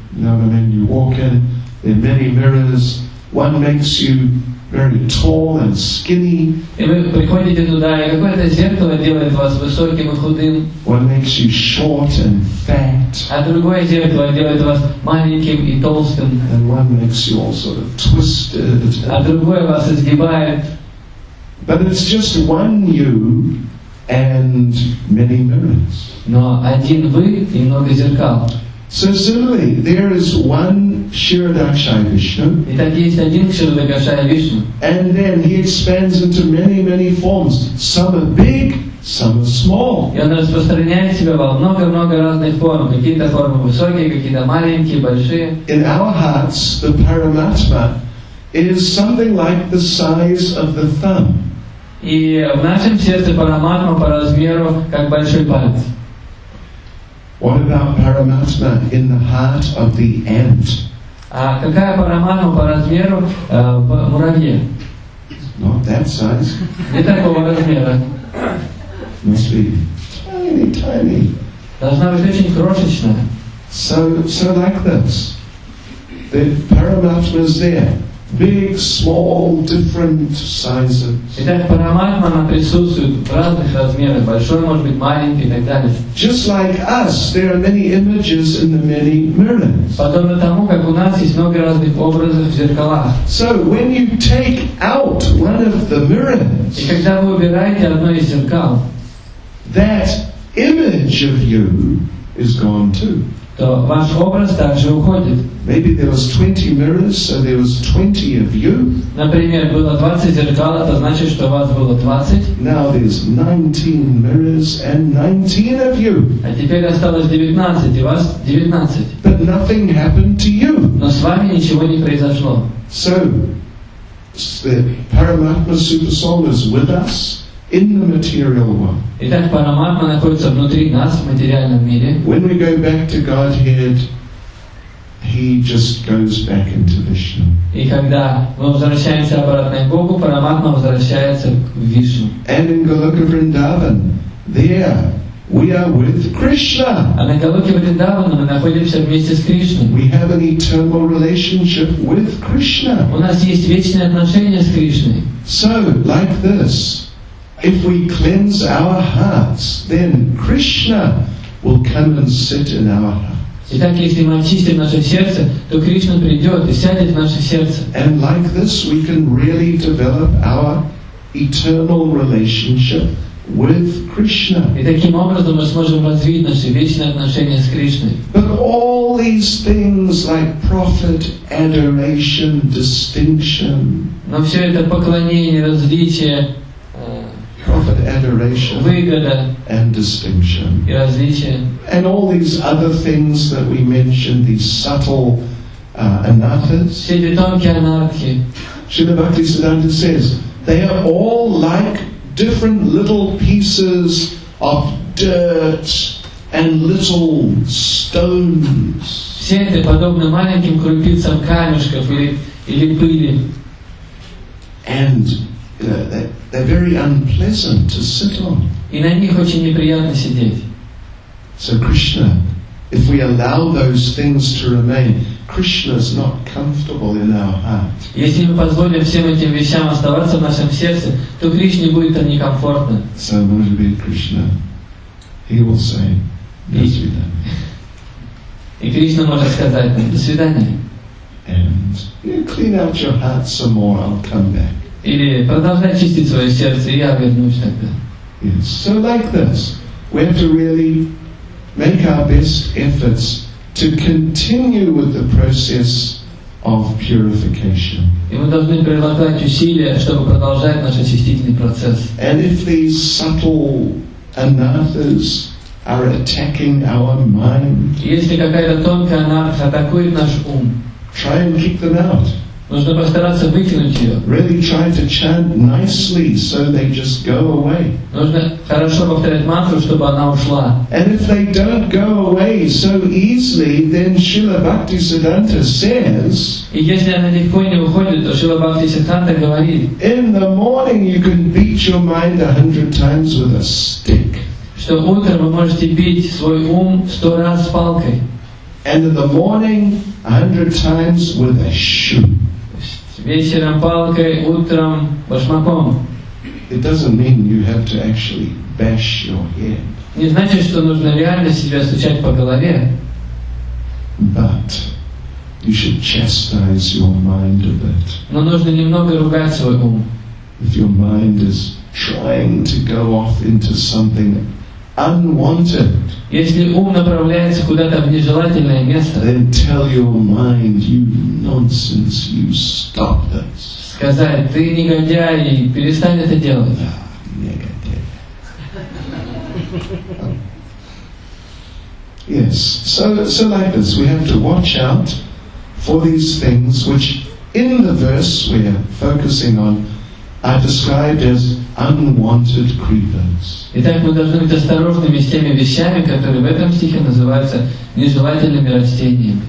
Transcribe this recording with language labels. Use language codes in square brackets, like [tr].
[en] Now and then you walk in. There are many mirrors. One makes you very tall and skinny. [ru] И вы приходите туда, и какое-то зеркало делает вас высоким и худым. [en] One makes you short and fat. [ru] А другое зеркало делает вас маленьким и толстым. [en] And one makes you all sort of twisted. [ru] А другое вас изгибает. [en] But it's just one you and many mirrors. [ru] Но один вы и много зеркал. [en] So similarly, there is one Ширадакшая Вишну. [ru] Итак, есть один Ширадакшая Вишну. [en] And then he expands into many, many forms. Some are big, some are small. [ru] И он распространяет себя во много-много разных форм. Какие-то формы высокие, какие-то маленькие, большие. [en] In our hearts, the Paramatma is something like the size of the thumb. [ru] И в нашем сердце Параматма по размеру как большой палец. [en] What about Paramatma in the heart of the ant? [ru] Какая Параматма по размеру в муравье? [en] Not that size. [ru] Не такого размера. [en] Must be tiny, tiny. [ru] Должна быть очень крошечная. [en] So like this. The Paramatma is there. Big, small, different sizes. [ru] Итак, Параматма она присутствует в разных размерах. Большой, может быть, маленький и так далее. [en] Just like us, there are many images in the many mirrors. [ru] Подобно тому, как у нас есть много разных образов в зеркалах. [en] So when you take out one of the mirrors, [ru] и когда вы убираете одно из зеркал, [en] that image of you is gone too. [ru] То ваш образ также уходит. [en] Maybe there was 20 mirrors, so there was 20 of you. [ru] Например, было 20 зеркал, это значит, что вас было 20. [en] Now there's 19 mirrors and 19 of you. [ru] А теперь осталось 19, и вас 19. [en] But nothing happened to you. [ru] Но с вами ничего не произошло. [en] So, the Paramatma Super Soul is with us in the material world. [ru] Итак, Параматма находится внутри нас, в материальном мире. [en] When we go back to Godhead, he just goes back into Vishnu. [ru] И когда мы возвращаемся обратно к Богу, Параматма возвращается к Вишну. [en] And in Goloka Vrindavan, there we are with Krishna. [ru] А на Голоке Вриндаване мы находимся вместе с Кришной. [en] We have an eternal relationship with Krishna. [ru] У нас есть вечные отношения с Кришной. [en] So, like this, if we cleanse our hearts, then Krishna will come and sit in our hearts. [ru] Итак, если мы очистим наше сердце, то Кришна придет и сядет в наше сердце. [en] And like this, we can really develop our eternal relationship with Krishna. [ru] И таким образом мы сможем развить наши вечные отношения с Кришной. [en] But all these things like profit, adoration, distinction. [ru] Но все это поклонение, различие. [en] Profit, adoration, [ru] выгода, [en] and distinction, [ru] и различие, [en] and all these other things that we mentioned, these subtle anarthas. [ru] Все эти тонкие анархи. [en] Śrīla Bhaktisiddhanta says they are all like different little pieces of dirt and little stones. [ru] Все это подобно маленьким крупицам камешков или пыли. [en] And you know, they're very unpleasant to sit on. [ru] И на них очень неприятно сидеть. [en] So Krishna, if we allow those things to remain, Krishna is not comfortable in our heart. [ru] Если мы позволим всем этим вещам оставаться в нашем сердце, то Кришне будет там некомфортно. [en] So [ru] может быть Кришна, [en] he will say, [ru] до свидания. И Кришна может сказать, до свидания. [en] And clean out your heart some more, I'll come back. [ru] Или продолжай чистить свое сердце, и я вернусь тогда. [en] Yes. So like this, we have to really make our best efforts to continue with the process of purification. [ru] И мы должны прилагать усилия, чтобы продолжать наш очистительный процесс. [en] And if these subtle anarthas are attacking our mind, [ru] если какая-то тонкая анартха атакует наш ум, [en] try and kick them out. [ru] Нужно постараться выкинуть ее. [en] Really try to chant nicely so they just go away. [ru] Нужно хорошо повторять мантру, чтобы она ушла. [en] And if they don't go away so easily, then Śrīla Bhaktisiddhānta says, [ru] и если она легко не уходит, то Śrīla Bhaktisiddhānta говорит, [en] in the morning you can beat your mind 100 times with a stick. [ru] Что утром вы можете бить свой ум 100 раз палкой. [en] And in the morning 100 times with a shoe. [ru] Вечером палкой, утром башмаком. [en] It doesn't mean you have to actually bash your head. [ru] Не значит, что нужно реально себя стучать по голове. [en] But you should chastise your mind a bit. [ru] Но нужно немного ругать свой ум. [en] If your mind is trying to go off into something unwanted, [ru] если ум направляется куда-то в нежелательное место, [en] then tell your mind, you nonsense, you stop this. [ru] Сказать, ты негодяй, перестань это делать. Ah, негодяй. [en] Yes, so like this, we have to watch out for these things which in the verse we are focusing on are described as unwanted creepers. [ru] Итак, мы должны быть осторожными с теми вещами, которые в этом стихе называются нежелательными растениями.